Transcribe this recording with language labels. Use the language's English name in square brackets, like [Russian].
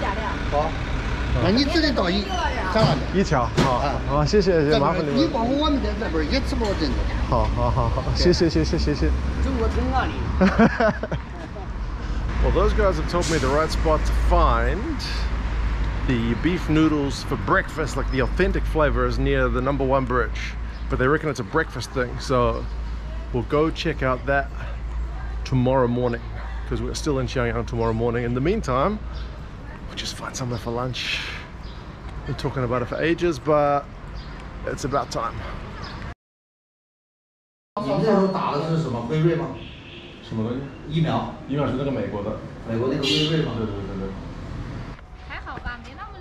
[Chinese] 陈家不搞一天的，陈家直到晚上10点。哦，我还是明天早上吃那个吧。好，那你指定到一。一条，好，谢谢，麻烦你了。你保护我们在这边，也吃不到正宗的。好，谢谢。中国通啊你。 [English] Well, those guys have told me the right spot to find the beef noodles for breakfast, like the authentic flavor, is near the number one bridge. But they reckon it's a breakfast thing, so we'll go check out that tomorrow morning, because we're still in Xiangyang tomorrow morning. In the meantime, we'll just find somewhere for lunch. Been talking about it for ages, but it's about time. [Chinese] 你们那时候打的是什么？辉瑞吗？什么东西？疫苗？疫苗是那个美国的。美国那个辉瑞吗？对。还好吧，没那么累，你就从下面上来嘛。